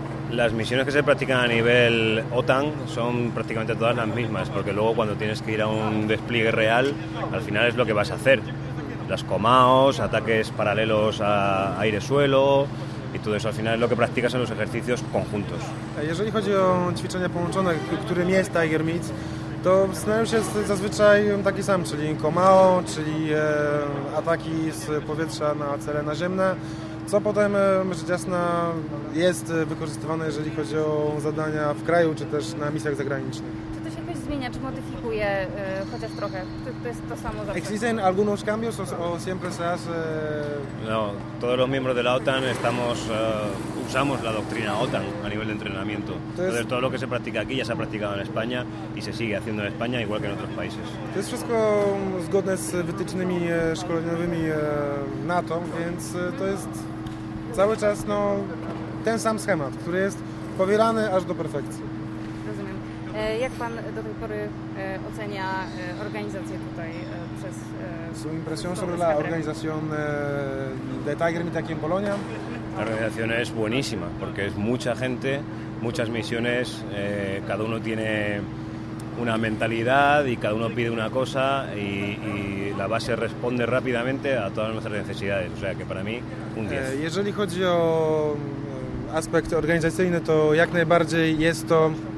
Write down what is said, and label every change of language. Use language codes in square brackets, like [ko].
[es] Las misiones que se practican a nivel OTAN son prácticamente todas las mismas, porque luego cuando tienes que ir a un despliegue real, al final es lo que vas a hacer. Las comaos, ataques paralelos a aire-suelo, y todo eso al final es lo que practicas en los ejercicios conjuntos. [pl] Jeżeli chodzi o ćwiczenia połączone, którym jest Tiger Meet, to scenariusz jest zazwyczaj taki sam, czyli komao, czyli ataki z powietrza na cele naziemne, co potem, rzecz jasna, jest wykorzystywane, jeżeli chodzi o zadania w kraju, czy też na misjach zagranicznych. Czy to się jakoś zmienia, czy modyfikuje chociaż trochę? To jest to samo zawsze? [es] Existen algunos cambios o siempre se hace... No, todos los miembros de la OTAN usamos la doctrina OTAN a nivel de entrenamiento. Entonces, todo lo que se practica aquí ya se ha practicado en España y se sigue haciendo en España, igual que en otros países. [pl] To jest wszystko zgodne z wytycznymi szkoleniowymi NATO, więc to jest cały czas ten sam schemat, który jest powielany aż do perfekcji. Rozumiem. Jak pan do tej pory ocenia organizację tutaj przez... [es] Su impresión sobre la organización de Tiger Meet aquí en Polonia? La organización es buenísima, porque es mucha gente, muchas misiones, cada uno tiene una mentalidad y cada uno pide una cosa y la base responde rápidamente a todas nuestras necesidades, o sea que para mí un 10. [pl] Jeżeli chodzi o aspekt organizacyjny, to jak najbardziej jest to...